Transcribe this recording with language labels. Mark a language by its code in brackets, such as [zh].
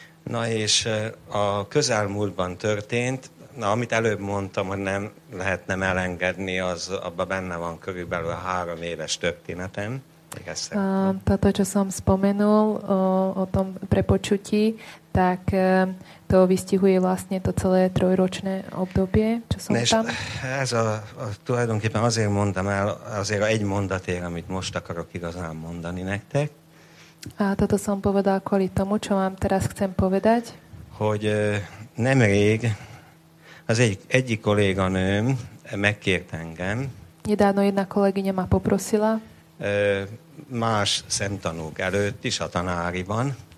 [hu] Na és a közelmúltban történt, na, amit előbb mondtam, hogy nem lehet nem elengedni, az abban benne van körülbelül a 3 éves történetem. [sk] Toto, čo som spomenul o tom prepočutí, tak to vystihuje vlastne to celé trojročné obdobie, čo som ne, tam. [hu] Ez a tulajdonképpen azért mondtam el, azért a egy mondatért, amit most akarok igazán mondani nektek. [sk] A toto som povedal kvôli tomu, čo vám teraz chcem povedať. [hu] Hogy nemrég az egyik kolléganőm megkért engem. [sk] Nedávno jedna kolegyňa ma poprosila. [hu] Más szemtanúk előtt is a tanáriban.